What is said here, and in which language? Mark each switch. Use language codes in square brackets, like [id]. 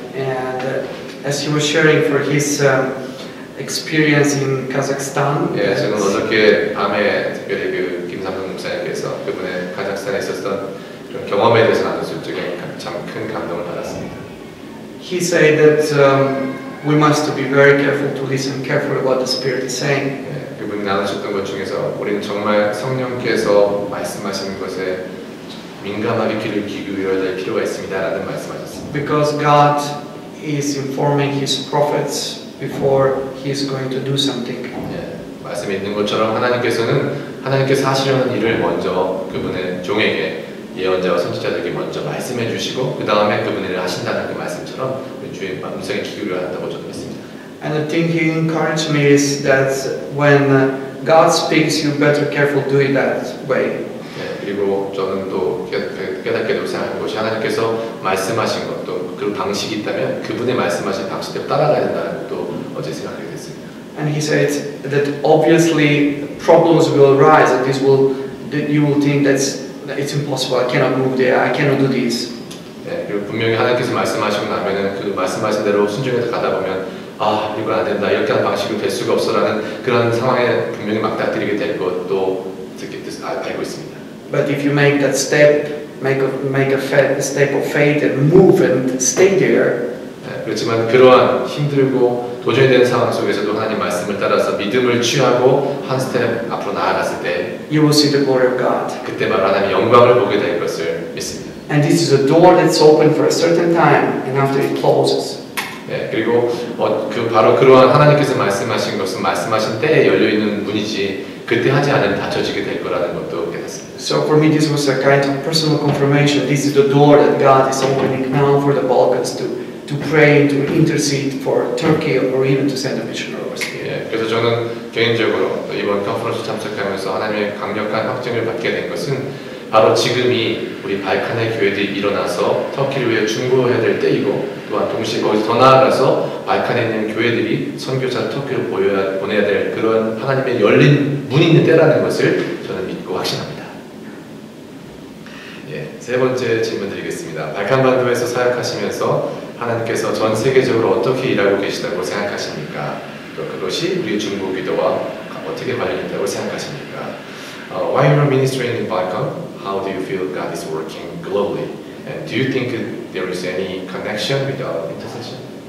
[en] And as he was sharing for his experience in Kazakhstan. [ko] Yeah, 지금 어저께 밤에 특별히 그 김삼성 목사님께서 그분의 카자흐스탄에 있었던 그런 경험에 대해서 나눠서 저에게 참 큰 감동을 받았습니다. [en] He said that we must be very careful to listen carefully what the Spirit is saying. [ko] 그분이 나누셨던 것 중에서 우리는 정말 성령께서 말씀하시는 것에 민감하게 귀를 기울여야 될 필요가 있습니다라는 말씀하셨습니다. [en] Because God is informing His prophets before He is going to do something. [ko] 말씀에 있는 것처럼 하나님께서는 하나님께서 하시려는 일을 먼저 그분의 종에게 예언자와 선지자들에게 먼저 말씀해 주시고 그 다음에 그분 일을 하신다는 그 말씀처럼 주의 음성에 귀 기울여야 한다고 저는 믿습니다. [en] And the thing he encouraged me is that when God speaks, you better careful do it that way. [ko] 네, 그리고 저는 또 깨닫게 되고 생각한 것이 하나님께서 말씀하신 것도 그런 방식이 있다면 그분의 말씀하신 방식대로 따라가야 된다는 것도 어제 생각하게 됐습니다. [en] And he said that obviously problems will arise and this will, that you will think that's It's impossible. I cannot move there. I cannot do this. [ko] 네, 분명히 하나님께서 말씀하시고 나면은 그 말씀하신 대로 순종해서 가다 보면 아 이거 안 된다 이렇게 하는 방식은 될 수가 없어라는 그런 상황에 분명히 맞닥뜨리게 될 것도 알고 있습니다. [en] But if you make that step, make a step of faith and move and stay there. [ko] 그렇지만 그러한 힘들고 도전이 되는 상황 속에서도 하나님 말씀을 따라서 믿음을 취하고 한 스텝 앞으로 나아갔을 때 [en] You will see the glory of God. [ko] 그때 하나님의 영광을 보게 될 것을 믿습니다. [en] And this is a door that's open for a certain time and after it closes. [ko] 네, 그리고 그 바로 그러한 하나님께서 말씀하신 것은 말씀하신 때에 열려 있는 문이지 그때 하지 않으면 닫혀지게 될 거라는 것도 깨닫습니다. [en] So for me this was a kind of personal confirmation. This is the door that God is opening now for the Balkans to pray, to intercede for Turkey or even to send a missionary overseas. [ko] 예, 그래서 저는 개인적으로 이번 컨퍼런스 참석하면서 하나님의 강력한 확증을 받게 된 것은 바로 지금이 우리 발칸의 교회들이 일어나서 터키를 위해 중보해야 될 때이고 또한 동시에 거기서 더 나아가서 발칸에 있는 교회들이 선교사를 터키로 보내야 될 그런 하나님의 열린 문이 있는 때라는 것을 저는 믿고 확신합니다. 예, 세 번째 질문 드리겠습니다. 발칸반도에서 사역하시면서 하나님께서 전 세계적으로 어떻게 일하고 계시다고 생각하십니까? 또 그것이 우리 중보 기도와 어떻게 관련된다고 생각하십니까? [en] Why are you ministering in Balkan? How do you feel God is working globally? And do you think there is any connection with our intercession?